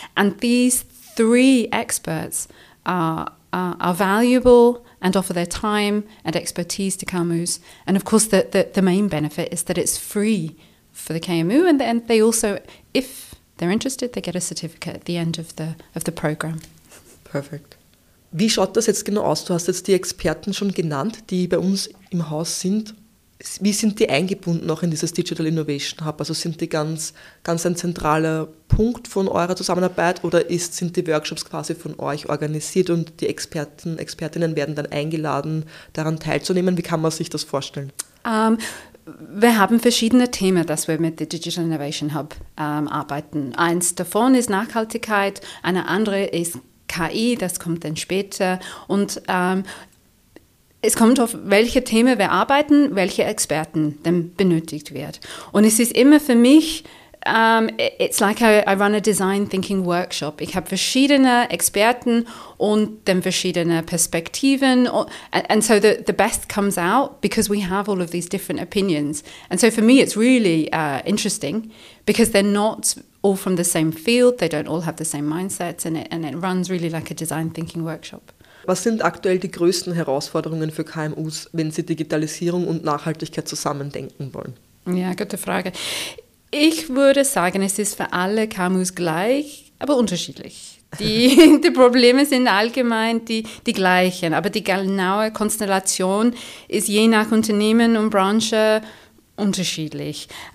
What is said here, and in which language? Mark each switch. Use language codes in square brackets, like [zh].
[en] And these three experts are valuable and offer their time and expertise to KMUs. And of course, the main benefit is that it's free for the KMU. And then they also, if they're interested, they get a certificate at the end of the program. Perfect. [de] Wie schaut das jetzt genau aus? Du hast jetzt die Experten schon genannt, die bei uns im Haus sind. Wie sind die eingebunden auch in dieses Digital Innovation Hub? Also sind die ganz, ganz ein zentraler Punkt von eurer Zusammenarbeit oder sind die Workshops quasi von euch organisiert und die Experten, Expertinnen werden dann eingeladen, daran teilzunehmen? Wie kann man sich das vorstellen? Wir haben verschiedene Themen, dass wir mit dem Digital Innovation Hub arbeiten. Eins davon ist Nachhaltigkeit, eine andere ist KI, das kommt dann später. Und es kommt auf welche Themen wir arbeiten, welche Experten dann benötigt wird. Und es ist immer für mich, [en] it's like I run a design thinking workshop. [de] Ich habe verschiedene Experten und dann verschiedene Perspektiven. [en] And so the best comes out because we have all of these different opinions. And so for me, it's really interesting because they're not all from the same field. They don't all have the same mindsets and it runs really like a design thinking workshop. [de] Was sind aktuell die größten Herausforderungen für KMUs, wenn sie Digitalisierung und Nachhaltigkeit zusammendenken wollen? Ja, gute Frage. Ich würde sagen, es ist für alle KMUs gleich, aber unterschiedlich. Die Probleme sind allgemein die gleichen, aber die genaue Konstellation ist je nach Unternehmen und Branche unterschiedlich.